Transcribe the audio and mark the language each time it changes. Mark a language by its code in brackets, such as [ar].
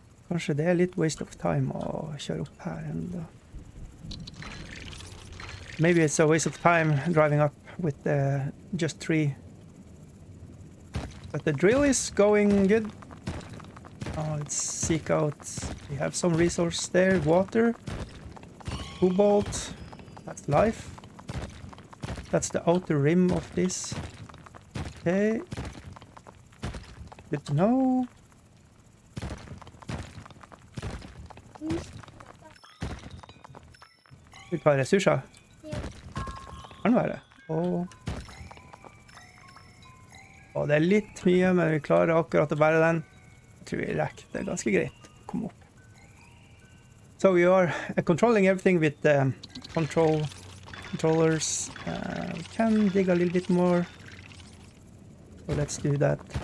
[no] Kanskje det er litt [en] waste of time [no] å kjøre opp her enda. [en] Maybe it's a waste of time driving up with just 3. But the drill is going good. Oh, let's seek out. We have some resource there. Water. Cobalt. That's life. That's the outer rim of this. Okay. Good to know. [no] Vi tar ressurser. Kan være. Og det er litt mye, men vi klarer akkurat å bære den. Tror vi rekker det ganske greit å komme opp. [en] So we are controlling everything with the controllers. We can dig a little bit more. So let's do that.